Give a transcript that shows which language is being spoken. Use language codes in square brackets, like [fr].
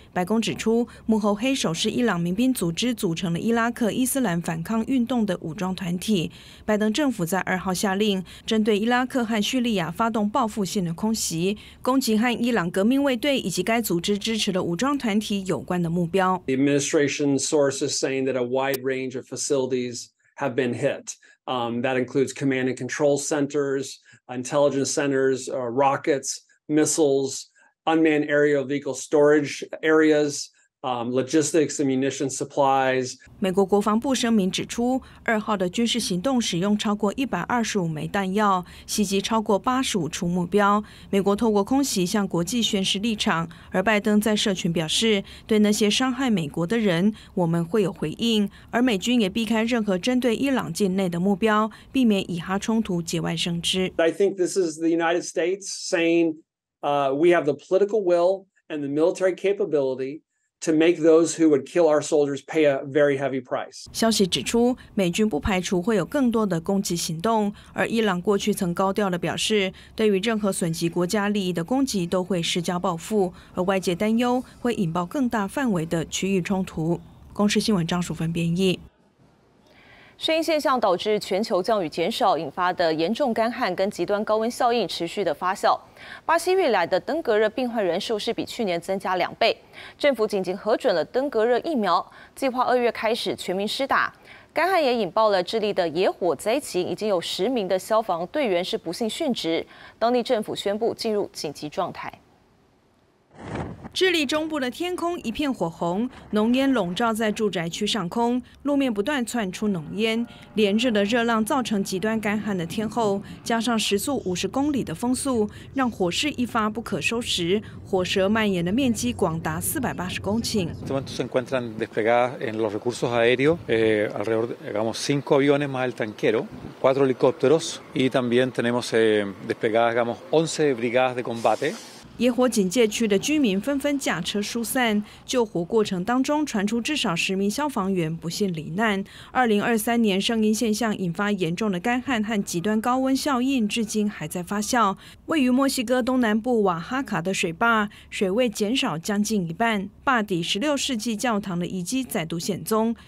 [zh] 白宫指出，幕后黑手是伊朗民兵组织组成的伊拉克伊斯兰反抗运动的武装团体。拜登政府在2号下令，针对伊拉克和叙利亚发动报复性的空袭，攻击和伊朗革命卫队以及该组织支持的武装团体有。 [en] The administration source is saying that a wide range of facilities have been hit. That includes command and control centers, intelligence centers, rockets, missiles, unmanned aerial vehicle storage areas. Logistics and munitions supplies. [zh] 美国国防部声明指出，二号的军事行动使用超过125枚弹药，袭击超过85处目标。美国透过空袭向国际宣示立场，而拜登在社群表示，对那些伤害美国的人，我们会有回应。而美军也避开任何针对伊朗境内的目标，避免以哈冲突节外生枝。 [en] I think this is the United States saying, we have the political will and the military capability. To make those who would kill our soldiers pay a very heavy price. [zh] 消息指出，美军不排除会有更多的攻击行动，而伊朗过去曾高调地表示，对于任何损及国家利益的攻击都会施加报复，而外界担忧会引爆更大范围的区域冲突。公视新闻张淑芬编译。适应现象导致全球降雨减少，引发的严重干旱跟极端高温效应持续的发酵。巴西未来的登革热病患人数是比去年增加2倍。政府紧急核准了登革热疫苗，计划2月开始全民施打。干旱也引爆了智利的野火灾情，已经有10名的消防队员是不幸殉职。当地政府宣布进入紧急状态。智利中部的天空一片火红，浓烟笼罩在住宅区上空，路面不断窜出浓烟。连日的热浪造成极端干旱的天候，加上时速50公里的风速，让火势一发不可收拾。火舌蔓延的面积广达480公顷。 [es] En este momento se encuentran desplegadas en los recursos aéreos alrededor, digamos, 5 aviones más el tanquero, 4 helicópteros y también tenemos desplegadas, digamos, 11 brigadas de combate. [zh] 野火警戒区的居民纷纷驾车疏散，救火过程当中传出至少十名消防员不幸罹难。 2023年圣婴现象引发严重的干旱和极端高温效应，至今还在发酵。位于墨西哥东南部瓦哈卡的水坝水位减少将近一半，坝底16世纪教堂的遗迹再度显踪。